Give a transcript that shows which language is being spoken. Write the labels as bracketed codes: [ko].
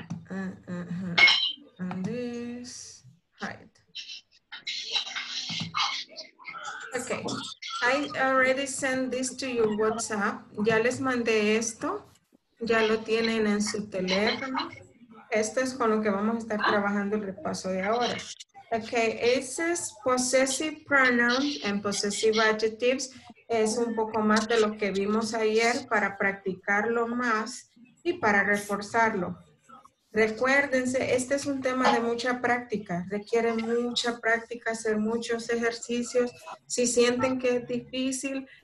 [en] And this hide. Okay, I already sent this to your WhatsApp. [es] Ya les mandé esto. Ya lo tienen en su teléfono. Esto es con lo que vamos a estar trabajando el repaso de ahora. [en] Okay, it says possessive pronouns and possessive adjectives. [es] Es un poco más de lo que vimos ayer para practicarlo más y para reforzarlo. Recuérdense, este es un tema de mucha práctica. Requiere mucha práctica, hacer muchos ejercicios. Si sienten que es difícil,